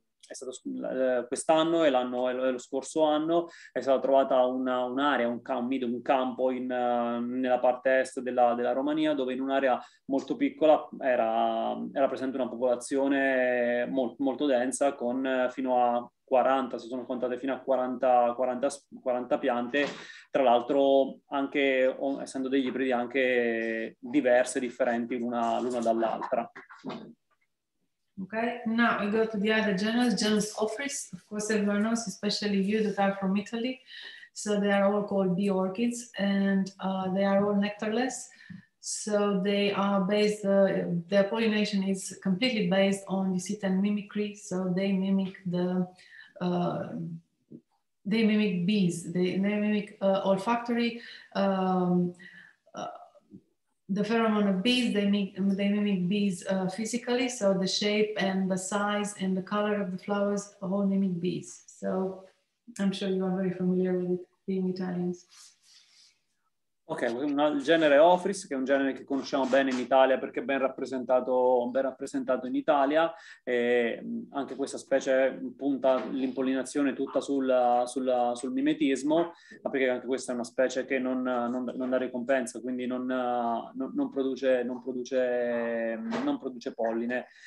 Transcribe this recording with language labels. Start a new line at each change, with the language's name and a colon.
Italian: è stato quest'anno e l'anno e lo scorso anno è stata trovata un'area, un campo in nella parte est della Romania, dove in un'area molto piccola era presente una popolazione molto, molto densa, con fino a 40, si sono contate fino a 40 piante, tra l'altro anche essendo degli ibridi anche diverse, differenti l'una dall'altra.
English: Ok, now we go to the other genus, genus Ophrys. Of course everyone knows, especially you that are from Italy, so they are all called bee orchids and they are all nectarless. So they are based, their pollination is completely based on the seitan mimicry, so they mimic bees, they mimic olfactory, the pheromone of bees, they mimic bees physically, so the shape and the size and the color of the flowers all mimic bees. So I'm sure you are very familiar with it, being Italians.
Italian: Ok, il genere Ophrys, che è un genere che conosciamo bene in Italia perché è ben rappresentato in Italia, e anche questa specie punta l'impollinazione tutta sul mimetismo, ma perché anche questa è una specie che non dà ricompensa, quindi non produce polline.